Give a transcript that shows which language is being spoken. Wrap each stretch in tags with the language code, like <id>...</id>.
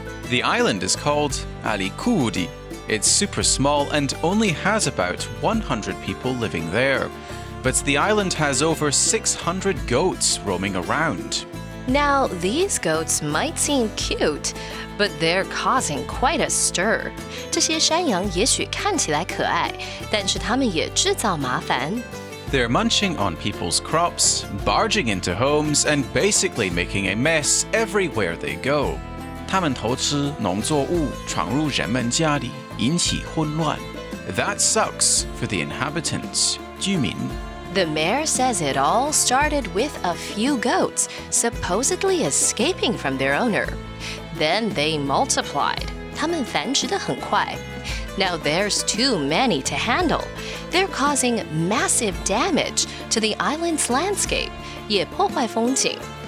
<en>The island is called Alicudi. It's super small and only has about 100 people living there. But the island has over 600 goats roaming around. Now, these goats might seem cute, but they're causing quite a stir.</en> <zh>这些山羊也许看起来可爱,但是它们也制造麻烦。</zh> <en>They're munching on people's crops, barging into homes, and basically making a mess everywhere they go.</en> <zh>他们偷吃农作物，闯入人们家里，引起混乱。</zh> <en>That sucks for the inhabitants.</en> <zh>居民。</zh> <en>The mayor says it all started with a few goats supposedly escaping from their owner. Then they multiplied.</en> <zh>他们繁殖得很快。</zh> <en>Now there's too many to handle. They're causing massive damage to the island's landscape,</en> <zh>也破坏风景。</zh>